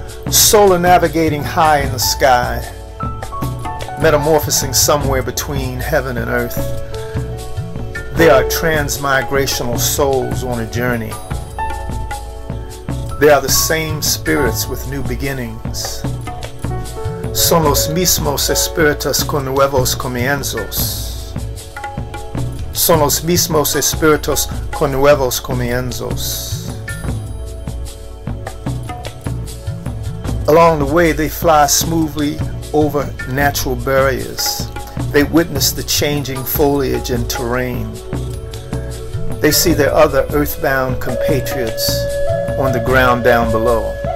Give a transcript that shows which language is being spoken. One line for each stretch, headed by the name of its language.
English: Solar navigating high in the sky, metamorphosing somewhere between heaven and earth. They are transmigrational souls on a journey. They are the same spirits with new beginnings.
Spanish: Son los mismos espíritus con nuevos comienzos. Son los mismos espíritus con nuevos comienzos.
English: Along the way, they fly smoothly over natural barriers. They witness the changing foliage and terrain. They see their other earthbound compatriots on the ground down below.